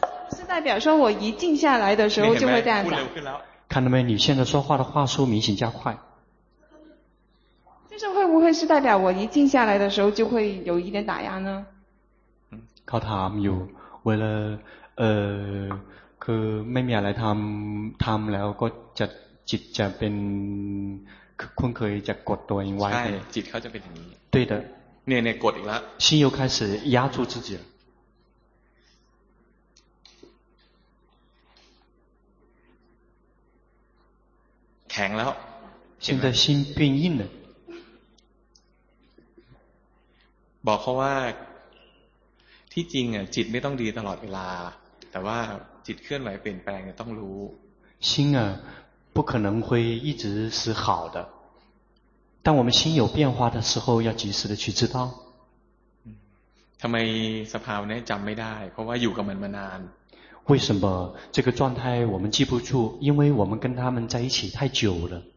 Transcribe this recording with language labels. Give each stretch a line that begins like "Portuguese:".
Chinese: 是代表说我一静下来的时候就会这样讲看到没你现在说话的话速明显加快就是会不会是代表我一静下来的时候就会有一点打压呢靠他有为了
Thai: คือไม่มีอะไรทำแล้วก็จะจิตจะเป็นคุ้นเคยจะกดตัวเองไว้ ใช่จิตเขาจะเป็นอย่างนี้
Chinese: 对的
Thai: เนี่ยเนี่ยกดอีกแล้ว
Chinese: 心又开始压住自己了
Thai: แข็งแล้ว
Chinese: 现在心变硬了
Thai: บอกเขาว่าที่จริงอ่ะจิตไม่ต้องดีตลอดเวลาแต่ว่าจิตเคลื่อนไหวเปลี่ยนแปลงต้องรู้
Chinese: 心啊不可能会一直是好的当我们心有变化的时候要及时的去知道
Thai: ทำไมสภาวะนี้จำไม่ได้เพราะว่าอยู่กับมันมานาน
Chinese: 为什么这个状态我们记不住因为我们跟他们在一起太久了